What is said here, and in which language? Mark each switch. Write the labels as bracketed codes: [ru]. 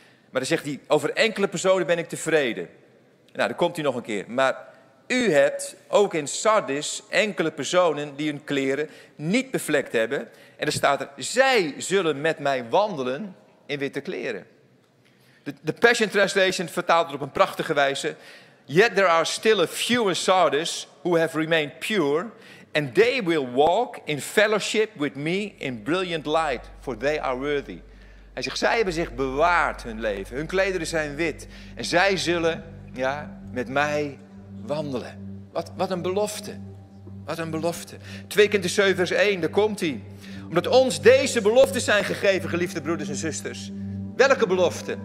[nl] Maar dan zegt hij, over enkele personen ben ik tevreden. Nou, dan komt hij nog een keer. Maar u hebt ook in Sardes enkele personen die hun kleren niet bevlekt hebben. En dan staat er, zij zullen met mij wandelen in witte kleren. De Passion Translation vertaalt het op een prachtige wijze. [en] Yet there are still a few in Sardes who have remained pure. And they will walk in fellowship with me in brilliant light. For they are worthy. [nl] Hij zegt, zij hebben zich bewaard hun leven. Hun klederen zijn wit. En zij zullen, ja, met mij wandelen. Wat een belofte. Wat een belofte. 2 Korinthe 7 vers 1, daar komt hij. Omdat ons deze beloften zijn gegeven, geliefde broeders en zusters. Welke belofte?